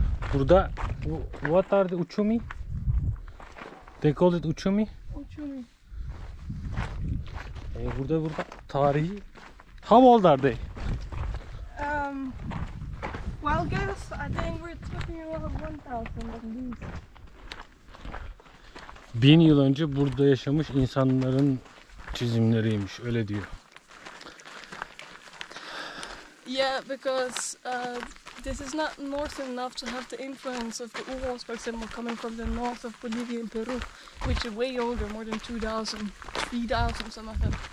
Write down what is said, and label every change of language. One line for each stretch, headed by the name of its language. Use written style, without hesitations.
Turkish: Burada,
English: what are the uçumi? They call it uçumi? Uçumi.
Turkish: Burada tarihi.
English: How old are they? Well, guess I think we're talking about 1000 at least.
Turkish: 1000 yıl önce burada yaşamış insanların çizimleriymiş, öyle diyor.
English: Yeah, because this is not north enough to have the influence of the Uros, for example, coming from the north of Bolivia and Peru, which are way older, more than 2000, 3000 some of them.